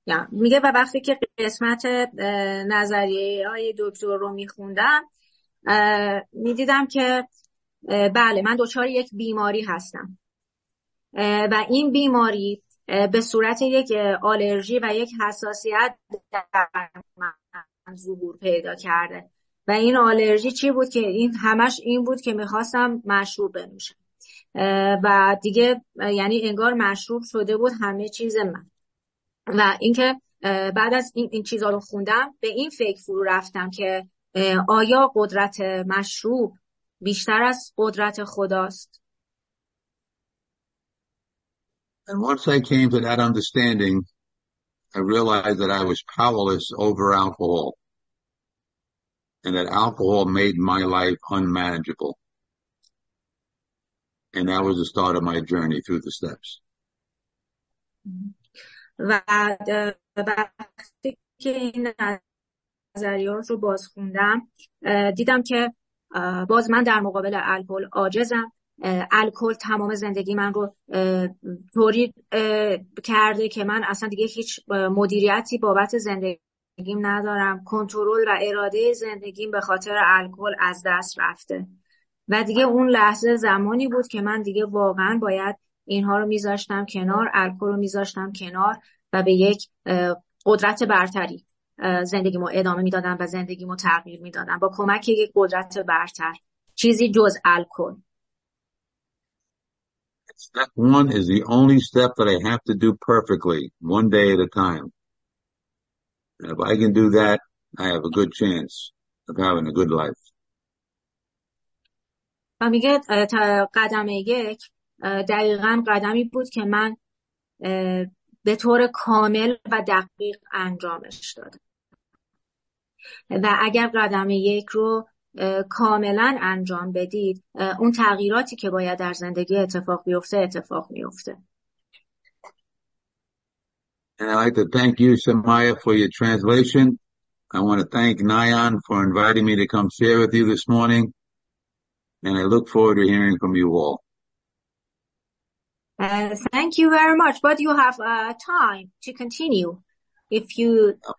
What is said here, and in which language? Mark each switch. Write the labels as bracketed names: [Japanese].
[Persian] میگه و وقتی که قسمت نظریه های دکتر رو میخوندم میدیدم که بله، من دچار یک بیماری هستم و این بیماری به صورت یک آلرژی و یک حساسیت در من ظهور پیدا کرده و این آلرژی چی بود که این همش این بود که میخواستم مشروب بنوشم و دیگه یعنی انگار مشروب شده بود همه چیز من. و اینکه بعد از این چیزا رو خوندم به این فکر فرو رفتم که آیا قدرت مشروب بیشتر از قدرت خداست؟ [English] And once I came to that understanding, I realized that I was powerless over alcohol and that alcohol made my life unmanageable. And that was the start of my journey through the steps. [Persian] و وقتی که این نظریات رو باز خوندم دیدم که باز من در مقابل الکل عاجزم. الکل تمام زندگی من رو طوری کرده که من اصلا دیگه هیچ مدیریتی بابت زندگیم ندارم. کنترل و اراده زندگیم به خاطر الکل از دست رفته و دیگه اون لحظه زمانی بود که من دیگه واقعا باید اینها رو میذاشتم کنار، الکل رو میذاشتم کنار و به یک قدرت برتری زندگیمو ادامه میدادم و زندگیمو تغییر میدادم با کمک یک قدرت برتر، چیزی جز الکل. [English] Step one is the only step that I have to do perfectly, one day at a time. And if I can do that, I have a good chance of having a good life. [Persian] و میگه تا قدم یک دقیقا قدمی بود که من به طور کامل و دقیق انجامش دادم و اگر قدم یک رو کاملا انجام بدید اون تغییراتی که باید در زندگی اتفاق بیفته اتفاق میفته. [English] And I'd like to thank you, Samaya, for your translation. I want to thank Nayan for inviting me to come share with you this morning. And I look forward to hearing from you all. Thank you very much. But you have time to continue. If you...